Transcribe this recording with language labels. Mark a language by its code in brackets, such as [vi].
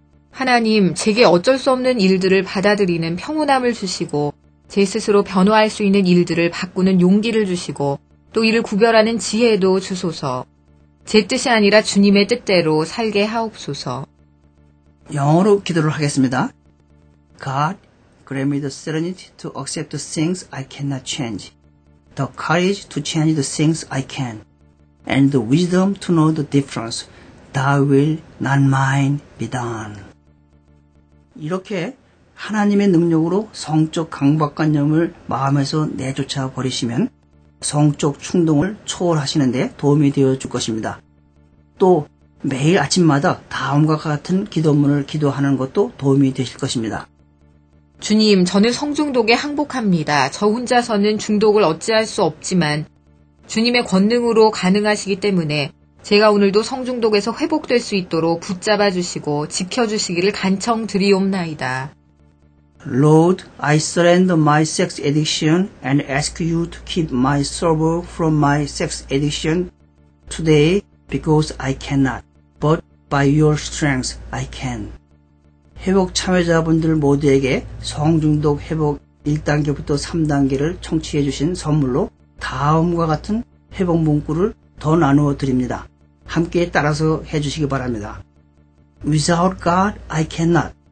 [ko] 하나님, 제게 어쩔 수 없는 일들을 받아들이는 평온함을 주시고 제 스스로 변화할 수 있는 일들을 바꾸는 용기를 주시고 또 이를 구별하는 지혜도 주소서. 제 뜻이 아니라 주님의 뜻대로 살게 하옵소서. 영어로 기도를 하겠습니다. [en] God, grant me the serenity to accept the things I cannot change, the courage to change the things I can, and the wisdom to know the difference. Thy will, not mine, be done. [ko] 이렇게 하나님의 능력으로 성적 강박관념을 마음에서 내쫓아 버리시면 성적 충동을 초월하시는 데 도움이 되어 줄 것입니다. 또 매일 아침마다 다음과 같은 기도문을 기도하는 것도 도움이 되실 것입니다. 주님, 저는 성중독에 항복합니다. 저 혼자서는 중독을 어찌할 수 없지만 주님의 권능으로 가능하시기 때문에 제가 오늘도 성중독에서 회복될 수 있도록 붙잡아 주시고 지켜주시기를 간청 드리옵나이다. [en] Lord, I surrender my sex addiction and ask you to keep my sorrow from my sex addiction today because I cannot, but by your strength I can. [ko] 회복 참여자분들 모두에게 성중독 회복 1단계부터 3단계를 청취해 주신 선물로 다음과 같은 회복 문구를 더 나누어 드립니다. 함께 따라서 해 주시기 바랍니다. [en] Without God, I cannot.